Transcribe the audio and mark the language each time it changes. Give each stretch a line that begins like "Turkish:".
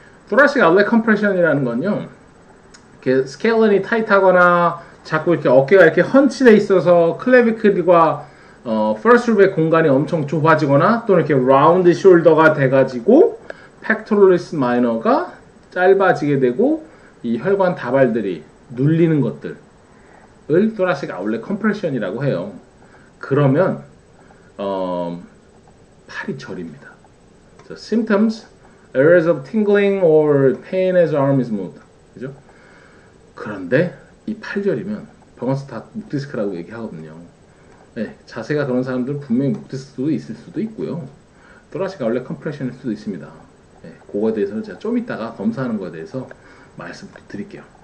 Korean: 토라식 아울렛 컴프레션이라는 건요, 이렇게 스케일런이 타이트하거나 자꾸 이렇게 어깨가 이렇게 헌치돼 있어서 클래비클과 퍼스트 립의 공간이 엄청 좁아지거나 또는 이렇게 라운드 숄더가 돼가지고 펙토러스 마이너가 짧아지게 되고 이 혈관 다발들이 눌리는 것들을 토라식 아울렛 컴프레션이라고 해요. 그러면 팔이 저립니다.
English: So, symptoms, areas of tingling or pain as arm is moved.
Korean: 그죠? 그런데 이 팔저리면 병원에서 다 묵디스크라고 얘기하거든요. 네, 자세가 그런 사람들은 분명히 묵디스크도 있을 수도 있고요. 토라식 아울렛 컴프레션일 수도 있습니다. 네, 그거에 대해서는 제가 좀 이따가 검사하는 거에 대해서 말씀드릴게요.